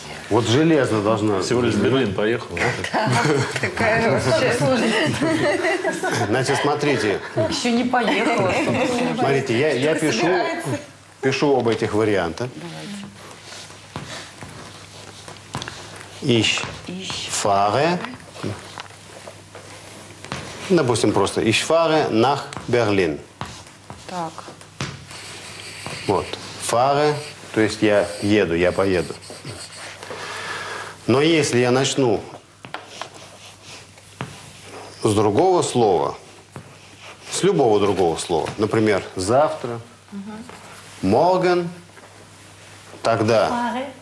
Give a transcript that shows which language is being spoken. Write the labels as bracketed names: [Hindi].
[Russian] Вот железно должно... Всего лишь Берлин поехал. Да, такая же вообще служит. Значит, смотрите. Еще не поехала. Смотрите, я пишу об этих вариантах. [German] Ich fahre, [Russian] допустим, просто, [German] ich fahre nach Berlin. [Russian] Так. Вот, fahre, то есть я еду, я поеду. Но если я начну с другого слова, с любого другого слова, например, завтра, morgen, тогда...